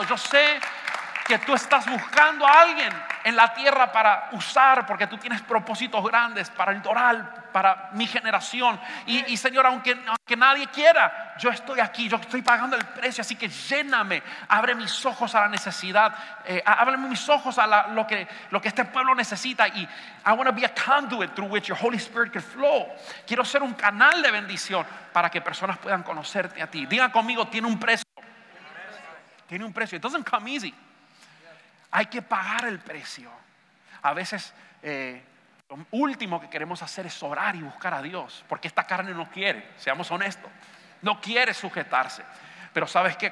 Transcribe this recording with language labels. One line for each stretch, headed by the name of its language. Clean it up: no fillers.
Spanish: Yo sé que tú estás buscando a alguien en la tierra para usar, porque tú tienes propósitos grandes para el Doral, para mi generación. Y Señor, aunque nadie quiera, yo estoy aquí, yo estoy pagando el precio. Así que lléname, abre mis ojos a la necesidad, ábreme mis ojos a lo que este pueblo necesita.
English: Y I want to be a conduit through which your Holy Spirit can flow.
Spanish: Quiero ser un canal de bendición para que personas puedan conocerte a ti. Diga conmigo, tiene un precio. Tiene un precio.
English: It doesn't come easy.
Spanish: Hay que pagar el precio. A veces lo último que queremos hacer es orar y buscar a Dios, porque esta carne no quiere, seamos honestos, no quiere sujetarse. Pero ¿sabes qué?